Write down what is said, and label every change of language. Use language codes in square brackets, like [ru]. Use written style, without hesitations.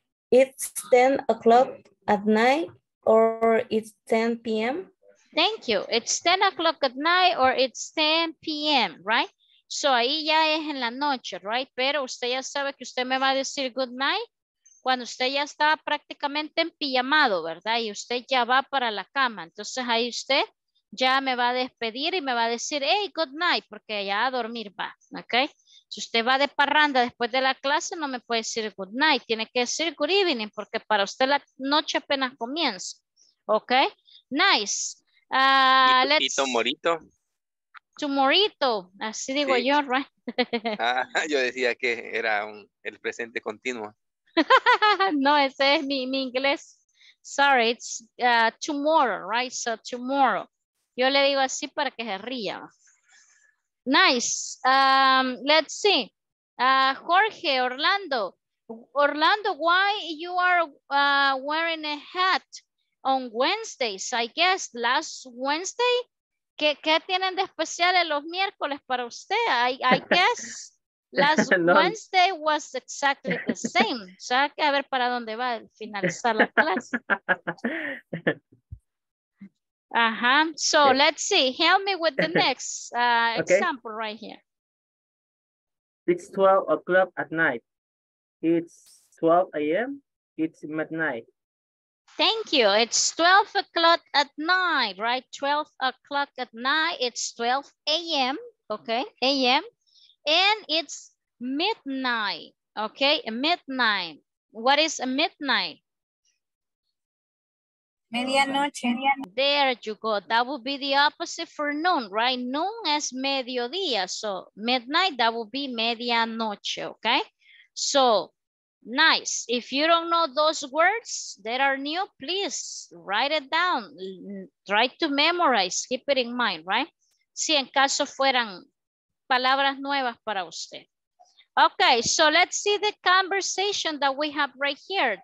[en] It's 10 o'clock at night or it's 10 p.m.? Thank you. It's 10 o'clock at night or it's 10 p.m., right? [es] So ahí ya es en la noche, right? Pero usted ya sabe que usted me va a decir good night cuando usted ya está prácticamente en pijamado, ¿verdad? Y usted ya va para la cama. Entonces ahí usted ya me va a despedir y me va a decir, hey, good night, porque ya a dormir va, ¿ok? Si usted va de parranda después de la clase, no me puede decir good night, tiene que decir good evening, porque para usted la noche apenas comienza, ¿ok? [en] Nice. Let's... morito. [es] Tomorito, así digo sí. Yo, right? Ah, yo decía que era el presente continuo. No, ese es mi inglés. [en] Sorry, it's tomorrow, right? So tomorrow. [es] Yo le digo así para que se ría. [en] Nice. Let's see. Jorge, Orlando. Orlando, why you are wearing a hat on Wednesdays? I guess last Wednesday. [es] ¿Qué tienen de especial en los miércoles para usted? [en] I guess last no. Wednesday was exactly the same. [es] O sea, hay que ver para dónde va al finalizar la clase. [en] Ajá. So, yeah. Let's see. Help me with the next example right here. It's 12 o'clock at night. It's 12 a.m. It's midnight. Thank you. It's 12 o'clock at night, right? 12 o'clock at night. It's 12 a.m. Okay, a.m. And it's midnight. Okay, midnight. What is a midnight? [es] Medianoche. [en] There you go. That would be the opposite for noon, right? Noon is mediodía. So midnight, that would be medianoche. Okay, so... Nice. If you don't know those words that are new, please write it down. Try to memorize. Keep it in mind, right? [es] Si en caso fueran palabras nuevas para usted. [en] Okay, so let's see the conversation that we have right here.